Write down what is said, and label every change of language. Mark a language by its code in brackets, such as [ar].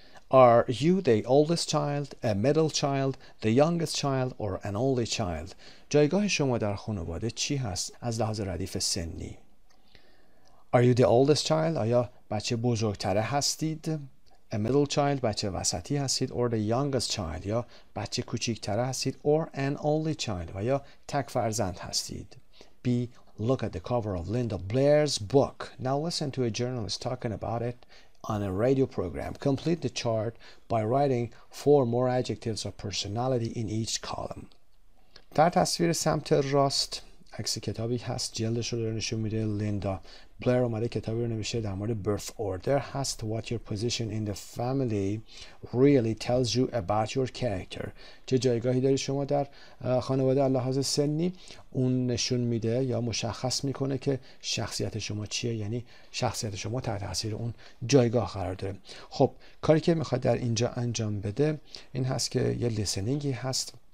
[en] Are you the oldest child, a middle child, the youngest child or an only child? [fa] جایگاه شما در خانواده چی هست از لحاظ ردیف سنی؟ [en] Are you the oldest child? [fa] آیا بچه بزرگتره هستید؟ [en] A middle child, [fa] بچه وسطی هستید؟ [en] Or the youngest child, [fa] یا بچه کوچیکتره هستید؟ [en] Or an only child, [fa] و یا تک فرزند هستید؟ B. [en] Look at the cover of Linda Blair's book. Now listen to a journalist talking about it on a radio program. Complete the chart by writing 4 more adjectives of personality in each column. [fa] در تصویر سمت راست عکس کتابی هست جلدش رو نشون میده. لیندا بلر اومده کتابی رو نوشته در مورد birth order هست. [en] What your position in the family really tells you about your character. [fa] چه جایگاهی داری شما در خانواده لحاظ سنی، اون نشون میده یا مشخص میکنه که شخصیت شما چیه، یعنی شخصیت شما تحت تاثیر اون جایگاه قرار داره. خب کاری که میخواد در اینجا انجام بده این هست که یه لیسنینگی هست.